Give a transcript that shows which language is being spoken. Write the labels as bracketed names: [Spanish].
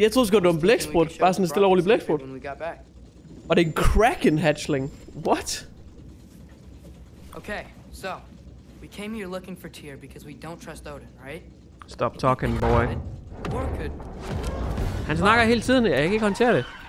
[Danish] Jeg troede sgu, det var en blæksprut. Bare sådan en stille og rolig blæksprut. Var det en Kraken Hatchling? What? [English] Okay, so, we came here looking for Tyr because we don't trust Odin, right? Stop talking, boy. [Danish] Han snakker hele tiden, jeg kan ikke håndtere det.